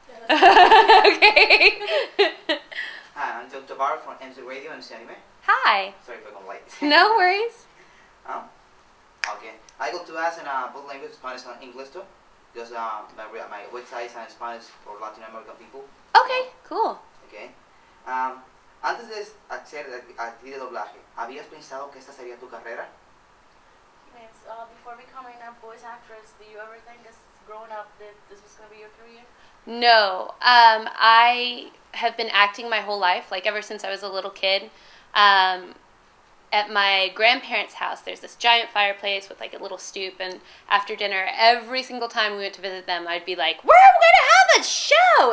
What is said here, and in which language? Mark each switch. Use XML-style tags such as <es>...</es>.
<en>Yeah, that's okay. Hi, I'm Dr. Tavar from MZ Radio and CNMA. Hi. Sorry for the late. No worries. Okay. I got to ask in both languages, Spanish and English too, because my website is in Spanish for Latin American people. Okay, cool. Okay.</en> <es>Antes de hacer actriz de doblaje, ¿habías pensado que esta sería tu carrera?</es> <en>Before becoming a voice actress, do you ever think this growing up that this was going to be your career? No. I have been acting my whole life, like ever since I was a little kid. At my grandparents' house, there's this giant fireplace with like a little stoop, and after dinner, every single time we went to visit them, I'd be like, we're going to have a show!</en>